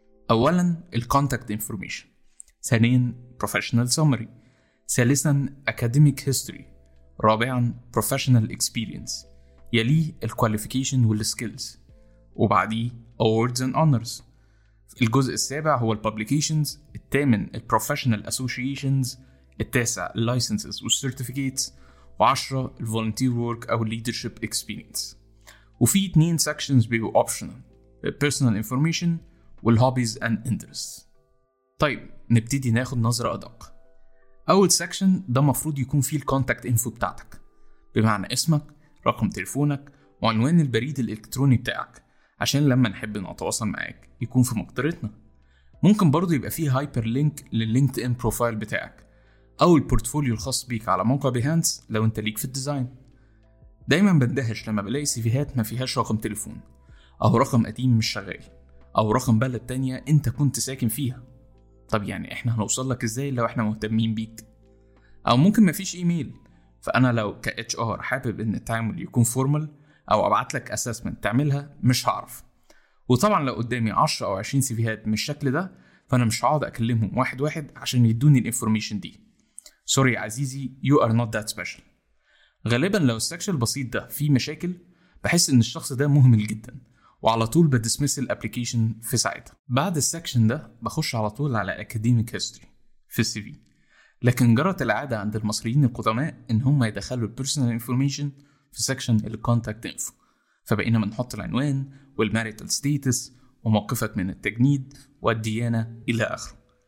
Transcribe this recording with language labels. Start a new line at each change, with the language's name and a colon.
Arabic: اولا
English: الكونتاكت انفورميشن،
Arabic: ثانيا
English: professional summary,
Arabic: ثالثا
English: academic history,
Arabic: رابعا
English: professional experience,
Arabic: يليه
English: الكواليفيكيشن والسكيلز،
Arabic: وبعديه
English: Awards and honours.
Arabic: الجزء السابع هو
English: البابليكيشنز، الثامن البروفيشنال اسوشيشنز، التاسع licenses والcertificates، وعشرة volunteer work
Arabic: أو
English: leadership experience.
Arabic: وفي
English: 2 sections
Arabic: بيبقوا
English: optional، personal information والhobbies and interests.
Arabic: طيب نبتدي ناخد نظرة أدق. أول section ده مفروض يكون فيه
English: contact info
Arabic: بتاعتك، بمعنى اسمك، رقم تلفونك، وعنوان البريد الإلكتروني بتاعك عشان لما نحب نتواصل معاك يكون في مقدرتنا. ممكن برضو يبقى فيه hyperlink للLinkedIn profile بتاعك أو البورتفوليو الخاص بيك على موقع بيهانس لو أنت ليك في الديزاين. دايما بندهش لما بلاقي سيفيهات ما فيهاش رقم تليفون أو رقم قديم مش شغال أو رقم بلد تانية أنت كنت ساكن فيها. طب يعني إحنا هنوصل لك إزاي لو إحنا مهتمين بيك؟ أو ممكن ما فيش إيميل، فأنا لو كـ HR حابب إن التعامل يكون فورمال أو أبعت لك أساسمنت تعملها مش هعرف. وطبعا لو قدامي 10 أو 20 سيفيهات من الشكل ده فأنا مش هقعد أكلمهم واحد واحد عشان يدوني الإنفورميشن دي.
English: Sorry عزيزي، you are not that special.
Arabic: غالبا لو السكشن البسيط ده فيه مشاكل بحس ان الشخص ده مهمل جدا وعلى طول بدسمس الابليكيشن في ساعتها. بعد السكشن ده بخش على طول على اكاديميك هيستوري في السي في. لكن جرت العاده عند المصريين القدماء ان هم يدخلوا البيرسونال انفورميشن في سكشن الكونتاكت انفو، فبقينا بنحط العنوان والماريتال ستيتس وموقفك من التجنيد والديانه الى اخره.